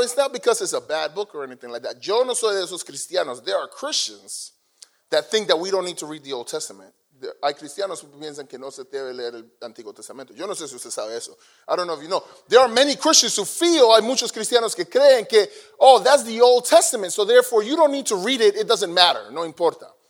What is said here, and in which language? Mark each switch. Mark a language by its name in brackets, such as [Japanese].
[English] It's not because it's a bad book or anything like that. [Spanish] Yo no soy de esos cristianos. [English] There are Christians that think that we don't need to read the Old Testament. [Spanish] Hay cristianos que piensan que no se debe leer el Antiguo Testamento. Yo no sé si usted sabe eso. [English] I don't know if you know. There are many Christians who feel, [Spanish] hay muchos cristianos que creen que, [English] oh, that's the Old Testament, so therefore you don't need to read it, it doesn't matter, [Spanish] no importa.